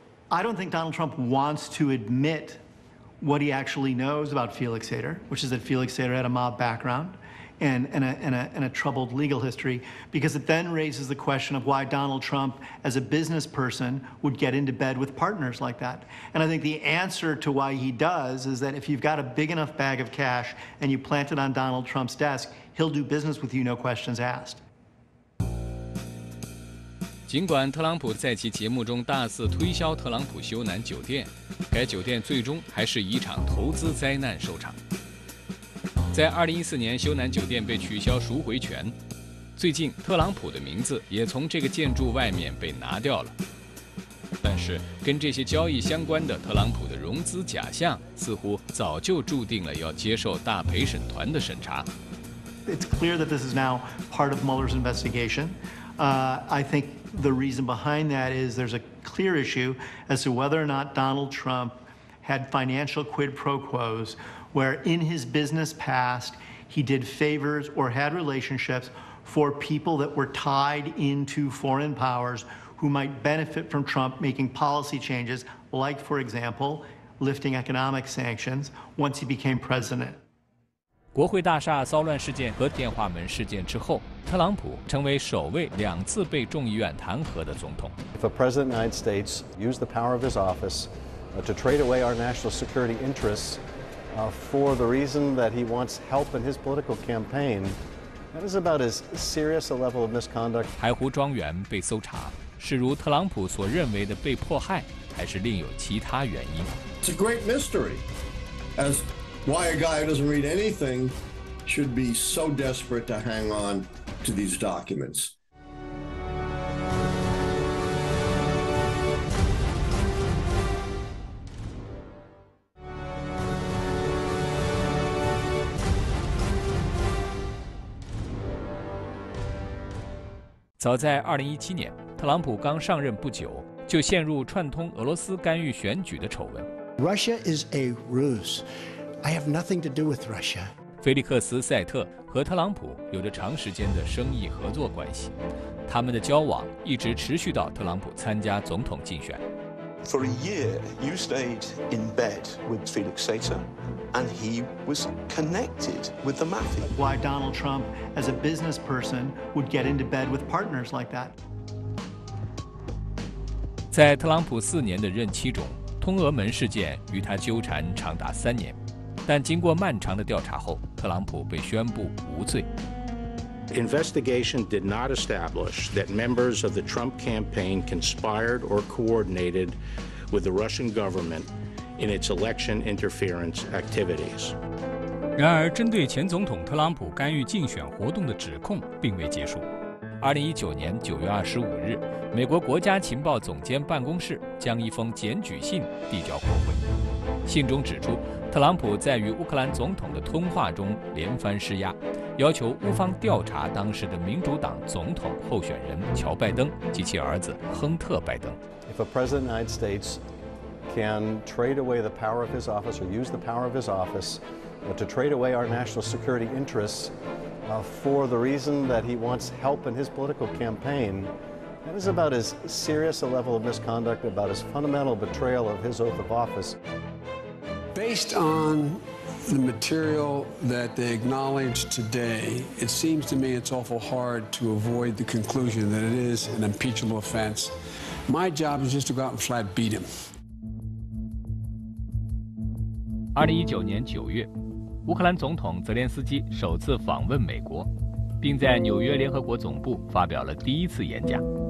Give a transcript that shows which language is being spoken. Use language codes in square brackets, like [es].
[en] I don't think Donald Trump wants to admit what he actually knows about Felix Sater, which is that Felix Sater had a mob background and a troubled legal history, because it then raises the question of why Donald Trump, as a business person, would get into bed with partners like that. And I think the answer to why he does is that if you've got a big enough bag of cash and you plant it on Donald Trump's desk, he'll do business with you, no questions asked. [zh] 尽管特朗普在其节目中大肆推销特朗普休南酒店，该酒店最终还是以一场投资灾难收场。在2014年，休南酒店被取消赎回权。最近，特朗普的名字也从这个建筑外面被拿掉了。但是，跟这些交易相关的特朗普的融资假象，似乎早就注定了要接受大陪审团的审查。 [en] It's clear that this is now part of Mueller's investigation. I think the reason behind that is there's a clear issue as to whether or not Donald Trump had financial quid pro quos. Where in his business past, he did favors or had relationships for people that were tied into foreign powers who might benefit from Trump making policy changes, like, for example, lifting economic sanctions once he became president. [zh] 国会大厦骚乱事件和电话门事件之后，特朗普成为首位两次被众议院弹劾的总统。 [en] If a president of the United States used the power of his office to trade away our national security interests,for the reason that he wants help in his political campaign, that is about as serious a level of misconduct. [zh] 台湖庄园被搜查，是如特朗普所认为的被迫害，还是另有其他原因？ [en] It's a great mystery as why a guy who doesn't read anything should be so desperate to hang on to these documents. [zh] 早在2017年，特朗普刚上任不久，就陷入串通俄罗斯干预选举的丑闻。 [en] Russia is a ruse. I have nothing to do with Russia. [zh] 菲利克斯·塞特和特朗普有着长时间的生意合作关系，他们的交往一直持续到特朗普参加总统竞选。 [en] For a year, you stayed in bed with Felix Sater, and he was connected with the mafia. Why Donald Trump, as a business person, would get into bed with partners like that? [zh] 在特朗普四年的任期中，通俄门事件与他纠缠长达三年，但经过漫长的调查后，特朗普被宣布无罪。 [en] Investigation did not establish that members of the Trump campaign conspired or coordinated with the Russian government in its election interference activities. [zh] 然而，针对前总统特朗普干预竞选活动的指控并未结束。 2019年9月25日，美国国家情报总监办公室将一封检举信递交国会。信中指出，特朗普在与乌克兰总统的通话中连番施压，要求乌方调查当时的民主党总统候选人乔·拜登及其儿子亨特·拜登。 [en] If a president of the United States can trade away the power of his office or use the power of his office to trade away our national security interests for the reason that he wants help in his political campaign, that is about as serious a level of misconduct, about as fundamental betrayal of his oath of office. Based on the material that they acknowledged today, it seems to me it's awful hard to avoid the conclusion that it is an impeachable offense. My job is just to go out and flat beat him. [zh] 2019年9月，乌克兰总统泽连斯基首次访问美国，并在纽约联合国总部发表了第一次演讲。